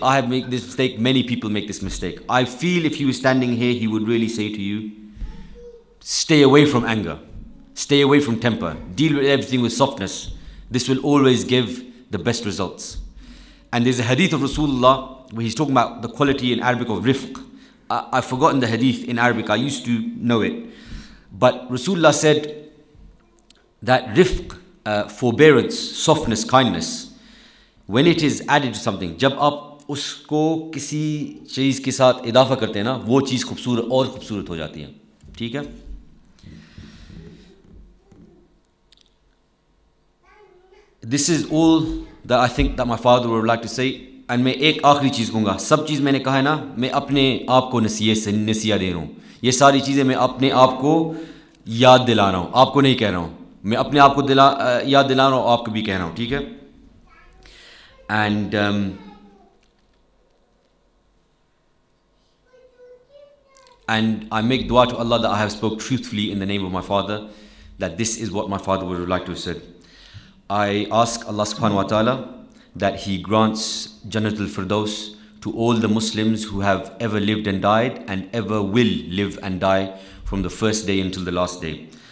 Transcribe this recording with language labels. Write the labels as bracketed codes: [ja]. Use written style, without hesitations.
[en] I have made this mistake. Many people make this mistake. I feel if he was standing here, he would really say to you, stay away from anger. Stay away from temper. Deal with everything with softness. This will always give the best results. And there's a hadith of Rasulullah where he's talking about the quality in Arabic of rifq. I've forgotten the hadith in Arabic. I used to know it. But Rasulullah said that rifq, forbearance, softness, kindness, when it is added to something, [ur] جب آپ اس کو کسی چیز کے ساتھ اضافہ کرتے ہے نا، وہ چیز خوبصورت اور خوبصورت ہو جاتی ہے۔ ٹھیک ہے؟ [en] This is all that I think that my father would like to say. [ur] And میں ایک آخری چیز کہوں گا۔ سب چیز میں نے کہا ہے نا، میں اپنے آپ کو نصیحت دے رہا ہوں۔ یہ ساری چیزیں میں اپنے آپ کو یاد دلا رہا ہوں۔ آپ کو نہیں کہہ رہا ہوں۔ میں اپنے آپ کو یاد دلا رہا ہوں، آپ کو بھی کہہ رہا ہوں۔ ٹھیک ہے؟ [en] And and I make dua to Allah that I have spoke truthfully in the name of my father, that this is what my father would like to have said. I ask Allah subhanahu wa ta'ala that he grants Jannat al-Firdaus to all the Muslims who have ever lived and died and ever will live and die from the first day until the last day.